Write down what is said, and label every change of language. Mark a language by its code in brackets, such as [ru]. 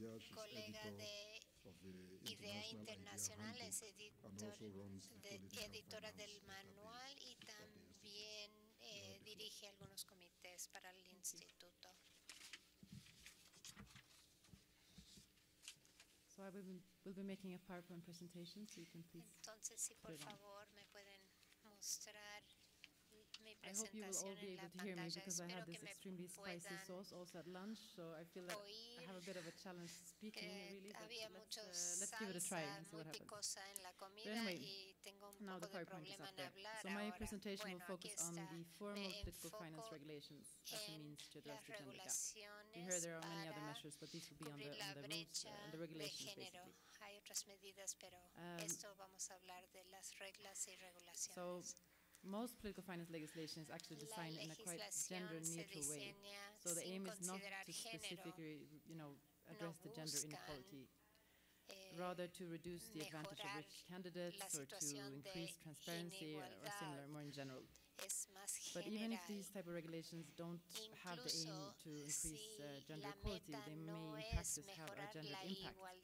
[es] colega de Idea Internacional, es editora del manual y también dirige algunos comités para el instituto. [en] So I will be making a PowerPoint presentation, so you can please. [es] Entonces, si por favor me pueden mostrar mi presentación. [en] I hope you will all be able to hear me because I had this extremely spicy sauce also at lunch, so I feel that I have a bit of a challenge speaking really. Let's give it a try and see what happens. But anyway, now the PowerPoint is up there. So my presentation will focus on the formal political finance regulations as a means to address the gender gap. You heard there are many other measures, but these will be on the rules and the regulations basically. [es] Hay otras medidas, pero esto vamos a hablar de las reglas y regulaciones. [en] Most political finance legislation is actually designed in a quite gender-neutral way. So the aim is not to specifically, address the gender inequality, rather to reduce the advantage of rich candidates or to increase transparency or similar, more in general. But even if these type of regulations don't have the aim to increase gender equality, they may in practice have a gender impact.